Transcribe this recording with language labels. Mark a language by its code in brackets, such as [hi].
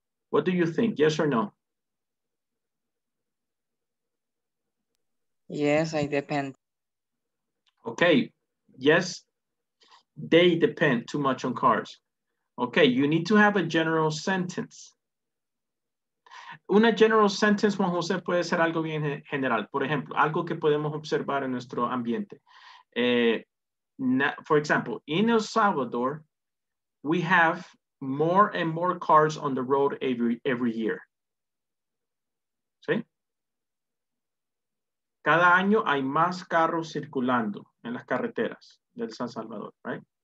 [en] What do you think, yes or no? Yes, I depend. Okay, yes, they depend too much on cars. Okay, you need to have a general sentence. [es] Una general sentence, Juan José, puede ser algo bien general. Por ejemplo, algo que podemos observar en nuestro ambiente. [en] For example, in El Salvador, we have more and more cars on the road every year. [es] ¿Sí? Cada año hay más carros circulando en las carreteras del San Salvador, right?